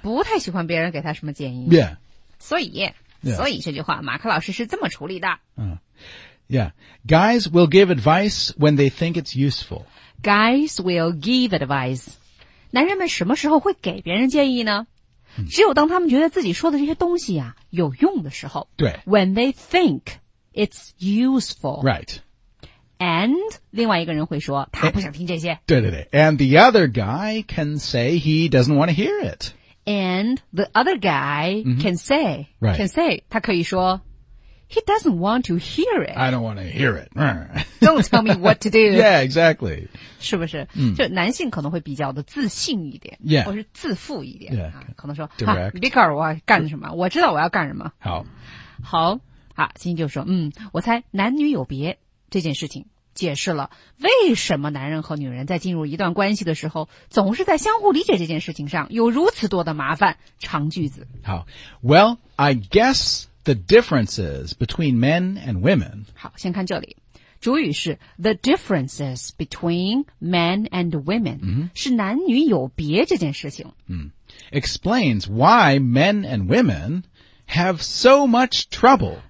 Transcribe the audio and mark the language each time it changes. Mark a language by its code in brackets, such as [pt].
[zh] 不太喜欢别人给他什么建议。 [en] Yeah. [zh] 所以 [en] Yeah. [zh] 所以这句话马克老师是这么处理的。 [en] Yeah. Guys will give advice when they think it's useful. Guys will give advice. [zh] 男人们什么时候会给别人建议呢、只有当他们觉得自己说的这些东西啊有用的时候。对。 [en] When they think it's useful. Right. And [zh] 另外一个人会说他不想听这些。对对对。 [en] And the other guy can say he doesn't want to hear it. And the other guy can say,、 right. can say, [zh] 他可以说 [en] he doesn't want to hear it. I don't want to hear it. Don't tell me what to do. Yeah, exactly. [zh] 是不是？就男性可能会比较的自信一点，或是自负一点，可能说，你告诉我干什么，我知道我要干什么。好。好，好，欣欣就说，我猜男女有别这件事情解释了为什么男人和女人在进入一段关系的时候总是在相互理解这件事情上有如此多的麻烦。长句子。 [en] 好 ,well, I guess the differences between men and women. [zh] 好，先看这里。主语是 [en] the differences between men and women,、 [zh] 是男女有别这件事情。 [en] Explains why men and women have so much trouble.